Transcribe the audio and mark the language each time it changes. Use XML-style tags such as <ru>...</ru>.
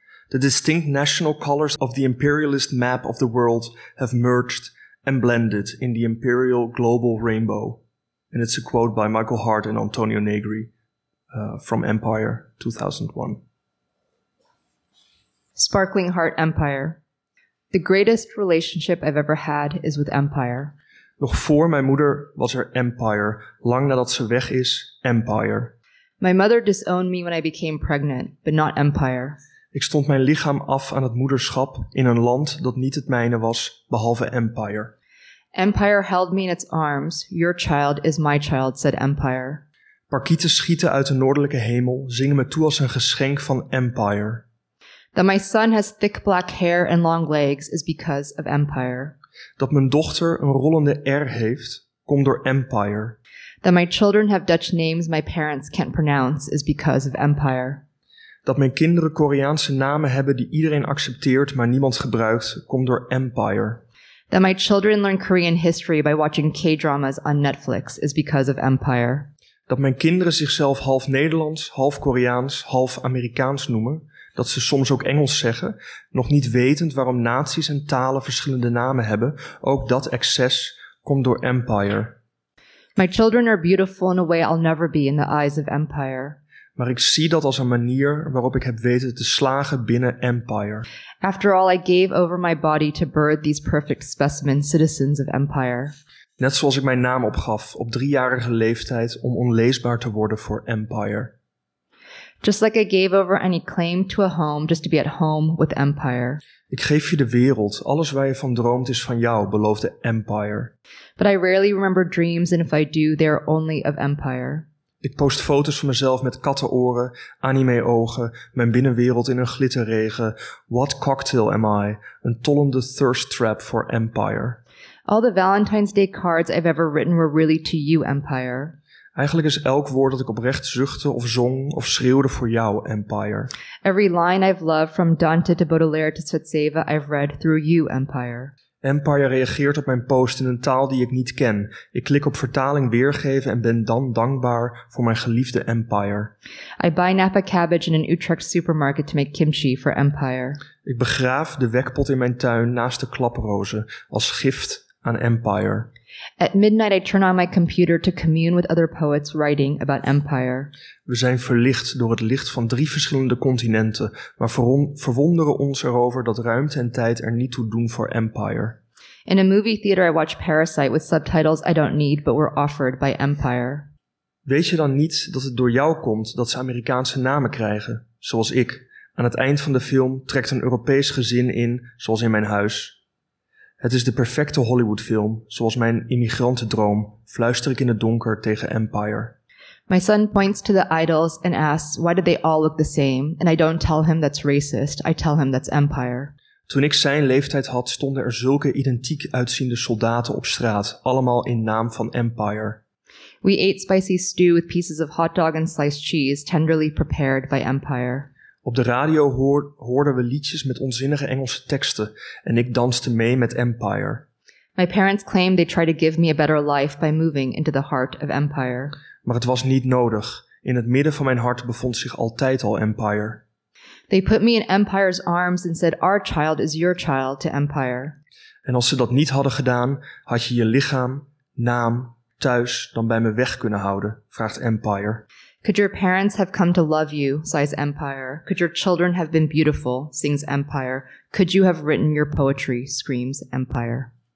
<en>The distinct national colors of the imperialist map of the world have merged and blended in the imperial global rainbow. And it's a quote by Michael Hart and Antonio Negri from Empire 2001. Sparkling Heart Empire. The greatest relationship I've ever had is with Empire.</en> <nl>Nog voor mijn moeder was er empire, lang nadat ze weg is, empire.</nl> <en>My mother disowned me when I became pregnant, but not empire.</en> <nl>Ik stond mijn lichaam af aan het moederschap in een land dat niet het mijne was, behalve empire.</nl> <en>Empire held me in its arms. Your child is my child, said empire.</en> <nl>Parkieten schieten uit de noordelijke hemel, zingen me toe als een geschenk van empire.</nl> <en>That my son has thick black hair and long legs is because of empire.</en> <nl>Dat mijn dochter een rollende R heeft, komt door empire.</nl> <en>That my children have Dutch names my parents can't pronounce is because of empire.</en> <nl>Dat mijn kinderen Koreaanse namen hebben die iedereen accepteert maar niemand gebruikt, komt door empire.</nl> <en>That my children learn Korean history by watching K-dramas on Netflix is because of empire.</en> <nl>Dat mijn kinderen zichzelf half Nederlands, half Koreaans, half Amerikaans noemen. Dat ze soms ook Engels zeggen, nog niet wetend waarom naties en talen verschillende namen hebben, ook dat excess komt door empire.</nl> <en>My children are beautiful in a way I'll never be in the eyes of empire.</en> <nl>Maar ik zie dat als een manier waarop ik heb weten te slagen binnen empire.</nl> <en>After all, I gave over my body to birth these perfect specimens, citizens of empire.</en> <nl>Net zoals ik mijn naam opgaf op 3-jarige leeftijd om onleesbaar te worden voor empire.</nl> <en>Just like I gave over any claim to a home just to be at home with empire.</en> <nl>Ik geef je de wereld. Alles waar je van droomt is van jou, beloofde empire.</nl> <en>But I rarely remember dreams and if I do, they are only of empire.</en> <nl>Ik post foto's van mezelf met kattenoren, anime ogen, mijn binnenwereld in een glitterregen.</nl> <en>What cocktail am I?</en> <nl>Een tollende</nl> <en>thirst trap for empire. All the Valentine's Day cards I've ever written were really to you, empire.</en> <nl>Eigenlijk is elk woord dat ik oprecht zuchtte of zong of schreeuwde voor jou, empire.</nl> <en>Every line I've loved from Dante to Baudelaire to Tsitsava I've read through you, empire.</en> <nl>Empire reageert op mijn post in een taal die ik niet ken. Ik klik op vertaling weergeven en ben dan dankbaar voor mijn geliefde empire.</nl> <en>I buy Napa cabbage in an Utrecht supermarket to make kimchi for empire.</en> <nl>Ik begraaf de wekpot in mijn tuin naast de klaprozen als gift aan empire.</nl> <en>At midnight I turn on my computer to commune with other poets writing about empire.</en> <nl>We zijn verlicht door het licht van 3 verschillende continenten, maar verwonderen ons erover dat ruimte en tijd er niet toe doen voor empire.</nl> <en>In a movie theater, I watch Parasite with subtitles I don't need but were offered by Empire.</en> <nl>Weet je dan niet dat het door jou komt dat ze Amerikaanse namen krijgen, zoals ik? Aan het eind van de film trekt een Europees gezin in, zoals in mijn huis. Het is de perfecte Hollywoodfilm, zoals mijn immigrantendroom, fluister ik in het donker tegen Empire.</nl> <en>My son points to the idols and asks, why do they all look the same? And I don't tell him that's racist, I tell him that's Empire.</en> <nl>Toen ik zijn leeftijd had, stonden er zulke identiek uitziende soldaten op straat, allemaal in naam van Empire.</nl> <en>We ate spicy stew with pieces of hot dog and sliced cheese, tenderly prepared by Empire.</en> <nl>Op de radio hoorden we liedjes met onzinnige Engelse teksten en ik danste mee met Empire.</nl> <en>My parents claim they try to give me a better life by moving into the heart of Empire.</en> <nl>Maar het was niet nodig. In het midden van mijn hart bevond zich altijd al Empire.</nl> <en>They put me in Empire's arms and said, our child is your child to Empire.</en> <nl>En als ze dat niet hadden gedaan, had je je lichaam, naam, thuis dan bij me weg kunnen houden, vraagt Empire.</nl> <en>Could your parents have come to love you, sighs Empire. Could your children have been beautiful, sings Empire. Could you have written your poetry, screams Empire.</en>